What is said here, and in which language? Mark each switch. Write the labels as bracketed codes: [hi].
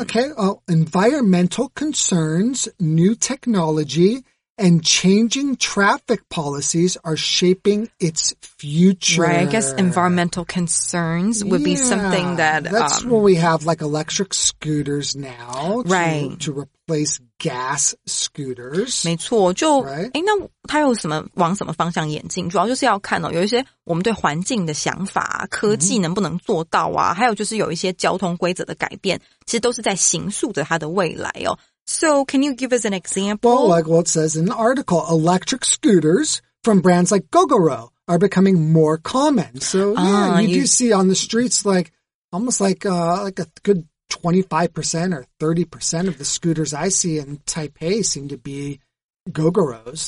[en] Okay, environmental concerns, new technologyAnd changing traffic policies are shaping its future. Right, I guess environmental concerns would be something that... That's what we have, like electric scooters now to replace gas scooters. [zh] 没错，就、right? 诶那它有什么往什么方向演进，主要就是要看、哦、有一些我们对环境的想法、啊、科技能不能做到啊、还有就是有一些交通规则的改变，其实都是在形塑着它的未来哦。 [en] So, can you give us an example? Well, like what it says in the article, electric scooters from brands like Gogoro are becoming more common. So, you do see on the streets like almost like a good 25% or 30% of the scooters I see in Taipei seem to be Gogoros.